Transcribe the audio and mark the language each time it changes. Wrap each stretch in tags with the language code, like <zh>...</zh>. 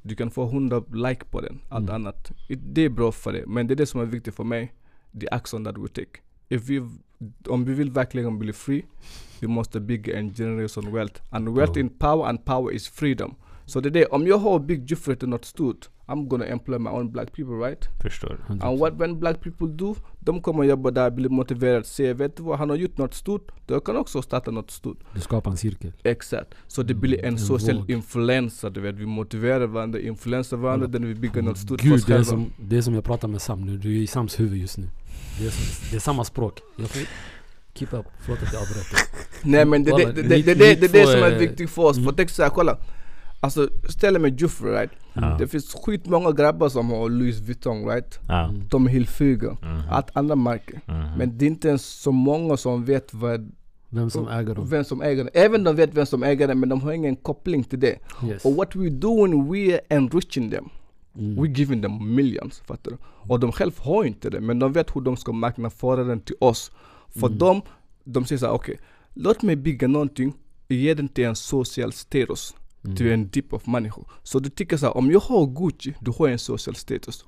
<sv>Du kan få 100 like på den. Allt annat. Det är bra för det. Men det är det som är viktigt för mig.</sv> <en>the action that we take. If we,</en> <sv>om vi vill verkligen bli fri, vi måste bygga en generation wealth.</sv> <en>And wealth in power, and power is freedom. So</en> <sv>det är, om jag har</sv> <en>big Jufure är not stort, I'm gonna employ my own black people, right?</en> <sv>Förstår.</sv> <en>And what when black people do,</en> <sv>de kommer jobba där, bli motiverade, se, vet du vad, han har gjort något stort, då kan också starta något stort. Du skapar en cirkel. Exakt. Så det blir en social influencer, du vet, vi motiverar varandra, influencer varandra, den vi bygger något stort. Gud, det är som, jag pratar med Sam nu, du är i Sams huvud just nu. Det är samma språk.</sv> <en>Keep up,</en> <sv>förlåt att jag avbryter. Nej, men det är som är viktigt för oss. För text, kolla. Alltså, ställer med Jufure, right? Det finns skitmånga grabbar som har Louis Vuitton, right? Tommy Hilfiger, allt andra märken. Men det är inte ens så många som vet vad, vem som äger dem. Vem som äger dem. Även de vet vem som äger dem, men de har ingen koppling till det. Yes.</sv> <en>Och what we doing, we are enriching them. We giving them millions,</en> <sv>fattar du? Och de själv har inte det, men de vet hur de ska marknadsföra den till oss. För de säger så här, okej, låt mig bygga någonting och ge den till en social status. Till en deep of människor. Så du tycker så här, om jag har Gucci, du har en social status.</sv>